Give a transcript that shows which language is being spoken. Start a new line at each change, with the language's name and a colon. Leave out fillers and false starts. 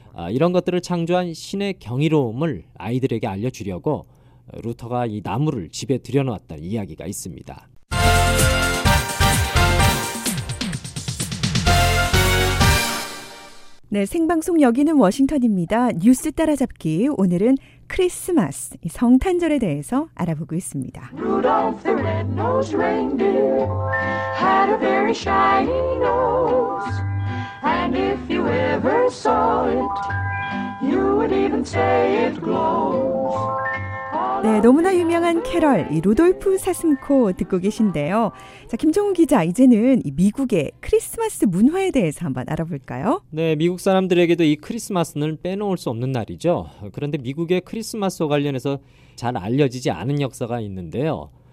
Korean: 이런 것들을 창조한 신의 경이로움을 아이들에게 알려주려고 루터가 이 나무를 집에 들여놓았다는 이야기가 있습니다. 네, 생방송 여기는 워싱턴입니다. 뉴스 따라잡기, 오늘은 크리스마스, 성탄절에 대해서 알아보고 있습니다.
English: Rudolph the Red-Nosed Reindeer had a very shiny nose. And if you ever saw it, you would even say it glows.
Korean: 네, 너무나 유명한 캐럴, 이 루돌프 사슴코 듣고 계신데요. 자, 김정우 기자, 이제는 이 미국의 크리스마스 문화에 대해서 한번 알아볼까요? 네, 미국 사람들에게도 이 크리스마스는 빼놓을 수 없는 날이죠. 그런데 미국의 크리스마스와 관련해서 잘 알려지지 않은 역사가 있는데요.